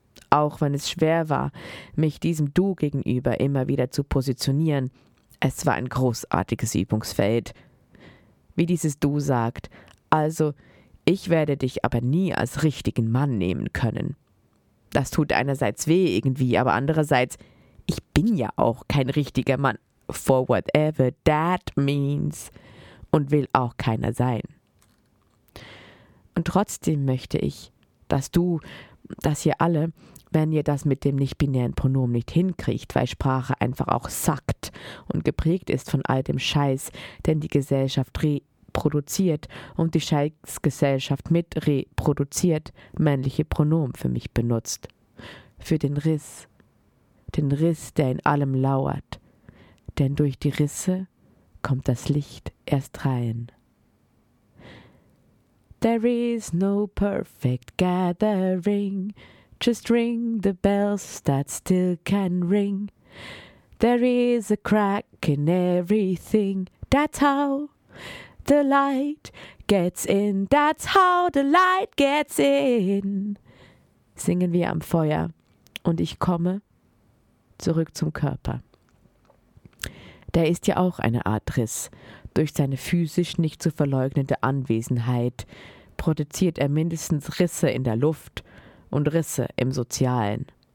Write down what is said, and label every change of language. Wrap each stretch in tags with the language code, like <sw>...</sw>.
<de>Auch wenn es schwer war, mich diesem Du gegenüber immer wieder zu positionieren, es war ein großartiges Übungsfeld. Wie dieses Du sagt, also, ich werde dich aber nie als richtigen Mann nehmen können. Das tut einerseits weh irgendwie, aber andererseits, ich bin ja auch kein richtiger Mann.</de> <en>For whatever that means.</en> <de>Und will auch keiner sein. Und trotzdem möchte ich, dass du, dass ihr alle, wenn ihr das mit dem nicht-binären Pronomen nicht hinkriegt, weil Sprache einfach auch sackt und geprägt ist von all dem Scheiß, den die Gesellschaft reproduziert und die Scheißgesellschaft mit reproduziert, männliche Pronomen für mich benutzt. Für den Riss. Den Riss, der in allem lauert. Denn durch die Risse kommt das Licht erst rein.</de> <en>There is no perfect gathering, just ring the bells that still can ring. There is a crack in everything, that's how the light gets in, that's how the light gets in.</en> <de>Singen wir am Feuer und ich komme zurück zum Körper. Der ist ja auch eine Art Riss. Durch seine physisch nicht zu verleugnende Anwesenheit produziert er mindestens Risse in der Luft und Risse im Sozialen.</de>